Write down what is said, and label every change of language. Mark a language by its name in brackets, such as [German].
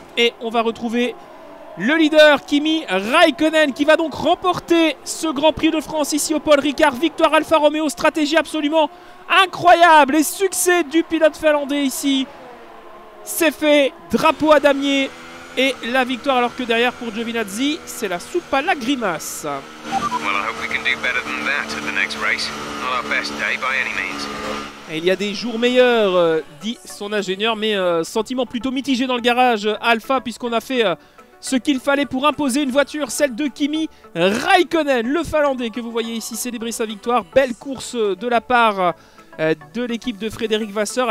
[French] Et on va retrouver le leader Kimi Raikkonen, qui va donc remporter ce Grand Prix de France ici au Paul Ricard. Victoire Alfa Romeo, stratégie absolument incroyable. Et succès du pilote finlandais ici. C'est fait, drapeau à damier. Et la victoire, alors que derrière pour Giovinazzi, c'est la soupe à la grimace. [English] Well, I hope we can do better than that at the next race. Not our best day by any means. [French] Il y a des jours meilleurs, dit son ingénieur, mais sentiment plutôt mitigé dans le garage Alpha, puisqu'on a fait ce qu'il fallait pour imposer une voiture, celle de Kimi Raikkonen, le Finlandais que vous voyez ici célébrer sa victoire. Belle course de la part de l'équipe de Frédéric Vasseur.